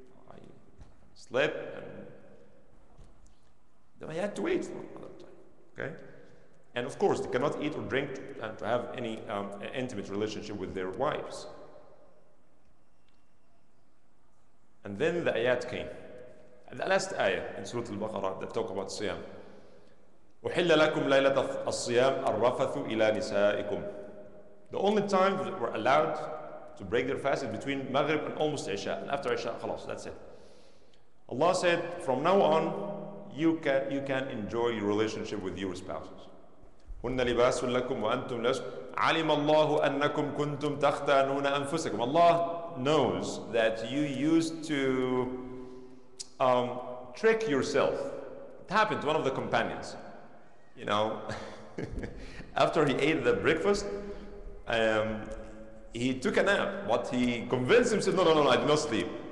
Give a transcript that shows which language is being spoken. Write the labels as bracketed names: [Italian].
[English] I slept and then I had to wait for another time. Okay? And of course, they cannot eat or drink to have any intimate relationship with their wives. And then the ayat came. The last ayah in Surah Al-Baqarah that talk about Siyam. [Arabic] أحل لكم ليلة الصيام الرفث إلى نسائكم. [English] The only time that were allowed to break their fast is between Maghrib and almost Isha. And after Isha, خلاص, that's it. Allah said, from now on, you can enjoy your relationship with your spouses. [Arabic] هن لباس لكم وأنتم لباس. علم الله أنكم كنتم تختانون أنفسكم. [English] Allah knows that you used to trick yourself. It happened to one of the companions. You know, after he ate the breakfast, he took a nap, but he convinced himself, no, I did not sleep.